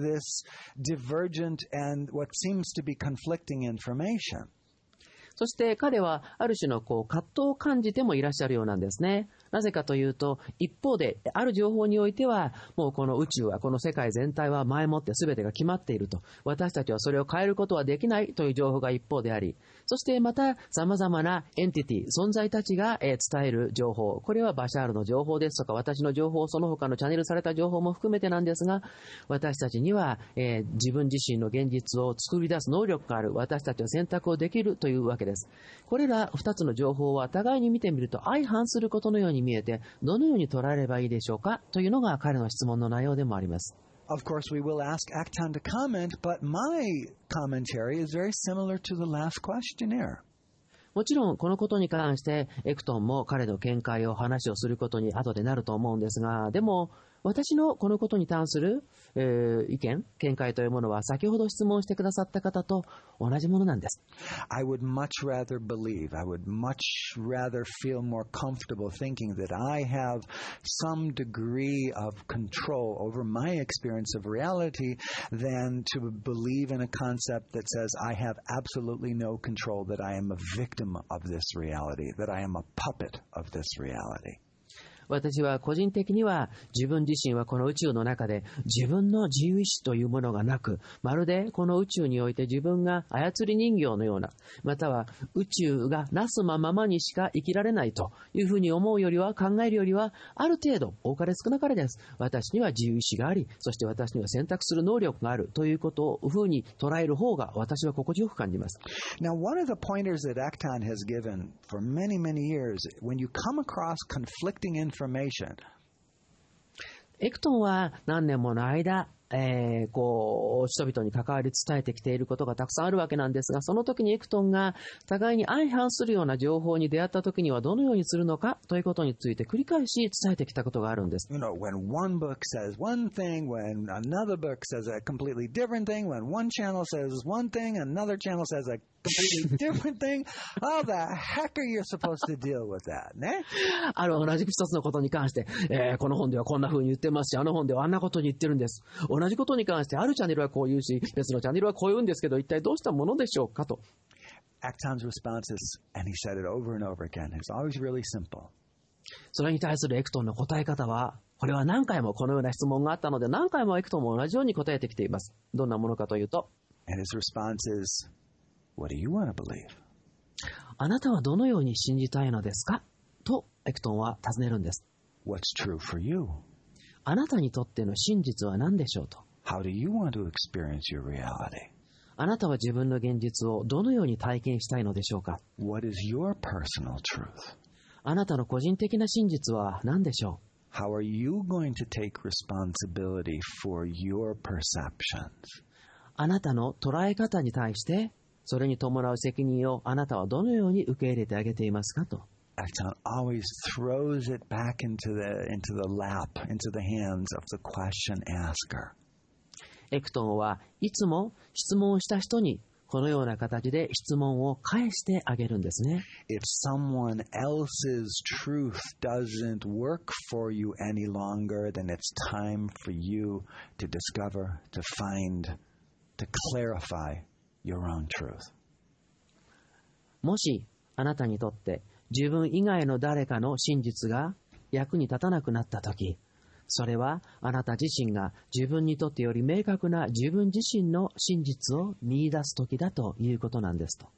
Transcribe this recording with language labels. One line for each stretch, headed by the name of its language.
English: this divergent and what seems to be conflicting information.
Japanese: そして彼はある種のこう葛藤を感じてもいらっしゃるようなんですね。なぜかというと、一方である情報においては、もうこの宇宙は、この世界全体は前もって全てが決まっていると、私たちはそれを変えることはできないという情報が一方であり、そしてまた様々なエンティティ、存在たちが伝える情報、これはバシャールの情報ですとか、私の情報、その他のチャネルされた情報も含めてなんですが、私たちには、自分自身の現実を作り出す能力がある、私たちは選択をできるというわけです。これら二つの情報は互いに見てみると相反することのように見えて、どのように捉えればいいでしょうかというのが彼の質問の内容でもあります。
English: Of course, we will ask Actan to comment, but my commentary is very similar to the last questionnaire.
Japanese: もちろんこのことに関してエクトンも彼の見解を話をすることに後でなると思うんですが、でも私のこのことに関する、意見、見解というものは先ほど質問してくださった方と同じものなんです。
English: I would much rather believe, I would much rather feel more comfortable thinking that I have some degree of control over my experience of reality than to believe in a concept that says I have absolutely no control, that I am a victim of this reality, that I am a puppet of this reality.
Japanese: 私は個人的には自分自身はこの宇宙の中で自分の自由意志というものがなく、まるでこの宇宙において自分が操り人形のような、または宇宙がなすまままにしか生きられないというふうに思うよりは、考えるよりは、ある程度多かれ少なかれです、私には自由意志があり、そして私には選択する能力があるということをふうに捉える方が私は心地よく感じます。
English: Now one of the pointers that Actan has given for many many years, when you come across conflicting in
Japanese: エクトンは何年もの間、こう人々に関わり伝えてきていることがたくさんあるわけなんですが、その時にエクトンが互いに相反するような情報に出会った時にはどのようにするのかということについて繰り返し伝えてきたことがあるんです。
English: You know, when one book says one thing, when another book says a completely different thing, when one channel says one thing, another channel says aComplete different thing. How the heck are you supposed to deal with that?
Japanese: ね。あの、同じ一つのことに関して、この本ではこんな風に言ってますし、あの本ではあんなことに言ってるんです。同じことに関して、あるチャンネルはこう言うし、別のチャンネルはこう言うんですけど、一体どうしたものでしょうかと。
English: Acton's response is, and he said it over and over again, it's always really simple.
Japanese: それに対するエクトンの答え方は、これは何回もこのような質問があったので、何回もエクトンも同じように答えてきています。どんなものかというと。
English: And his response is,What do you want to believe?
Japanese: あなたはどのように信じたいのですかとエクトンは尋ねるんです。
English: What's true for you?
Japanese: あなたにとっての真実は何でしょうと。
English: How do you want to experience your reality?
Japanese: あなたは自分の現実をどのように体験したいのでしょうか。
English: What is your personal truth?
Japanese: あなたの個人的な真実は何でしょう。
English: How are you going to take responsibility for your perceptions?
Japanese: あなたの捉え方に対して、それに伴う責任をあなたはどのように受け入れてあげていますかと。
English: Actan always throws it back into the lap, into the hands of the question asker.
Japanese: エクトンはいつも質問した人にこのような形で質問を返してあげるんですね。
English: If someone else's truth doesn't work for you any longer, then it's time for you to discover, to find, to clarify. Your own truth.
Japanese: もしあなたにとって自分以外の誰かの真実が役に立たなくなったとき、それはあなた自身が自分にとってより明確な自分自身の真実を見出すときだということなんですと。